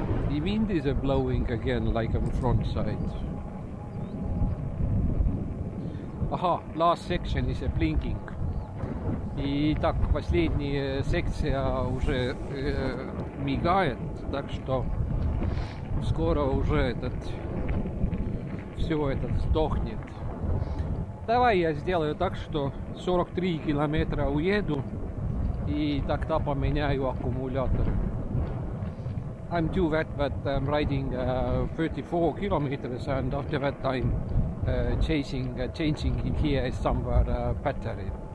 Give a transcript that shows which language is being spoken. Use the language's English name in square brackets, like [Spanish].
[English] The wind is blowing again like on front side. Aha, last section is a blinking. [Russian] И так, последняя секция уже мигает, так что скоро уже этот все этот сдохнет. Давай я сделаю так, что 43 километра уеду, и тогда поменяю аккумулятор. [English] I'm too wet, but I'm riding 34 kilometers, and after that I'm changing in here somewhere battery.